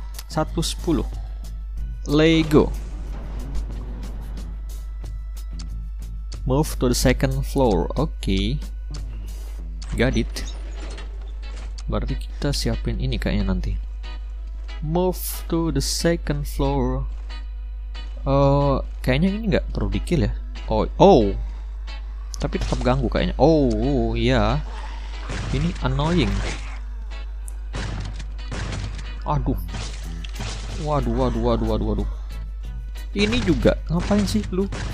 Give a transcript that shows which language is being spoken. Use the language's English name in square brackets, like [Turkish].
[English] 110 Lego move to the second floor. Oke, got it. [Indonesian] Berarti kita siapin ini kayaknya nanti. [English] Move to the second floor. [Indonesian] Kayaknya ini nggak perlu dikill ya. Oh, tapi tetap ganggu kayaknya. Oh, iya. Ini annoying. Aduh. Waduh. Ini juga ngapain sih lu?